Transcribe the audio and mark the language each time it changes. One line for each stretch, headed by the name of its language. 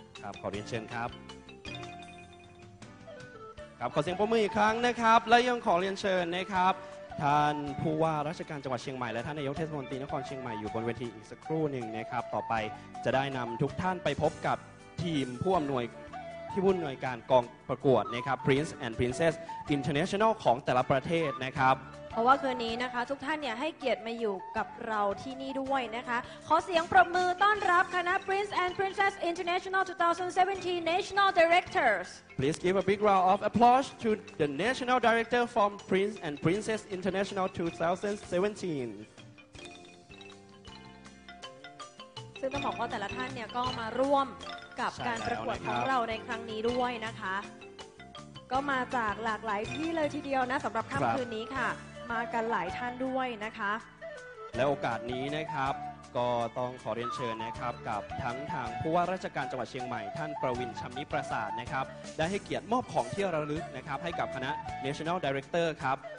Thai: ครับขอเรียนเชิญครับครับขอเสียงปรบมืออีกครั้งนะครับและยังขอเรียนเชิญนะครับท่านผู้ว่าราชการจังหวัดเชียงใหม่และท่านนายกเทศมนตรีนครเชียงใหม่อยู่บนเวทีอีกสักครู่หนึ่งนะครับต่อไปจะได้นำทุกท่านไปพบกับทีมผู้อำนวยที่ผู้อำนวยการกองประกวดนะครับ Prince and Princess International ของแต่ละประเทศนะครับ เพราะว่าคืนนี้นะคะทุกท่านเนี่ยให้เกียรติมาอยู่กับเราที่นี่ด้วยนะคะขอเสียงปรบมือต้อนรับคณะ Prince and Princess International 2017 National Directors
English: Please give a big round of applause to the National Director from Prince and Princess International 2017.
Thai: ซึ่งต้องบอกว่าแต่ละท่านเนี่ยก็มาร่วมกับการประกวดของเราในครั้งนี้ด้วยนะคะก็มาจากหลากหลายที่เลยทีเดียวนะสำหรับค่ำคืนนี้ค่ะมากันหลายท่านด้วยนะคะ และโอกาสนี้นะครับก็ต้องขอเรียนเชิญนะครับกับทั้งทางผู้ว่าราชการจังหวัดเชียงใหม่ท่านประวินชำนิประสาทนะครับได้ให้เกียรติมอบของที่ระลึกนะครับให้กับคณะ National Director ครับ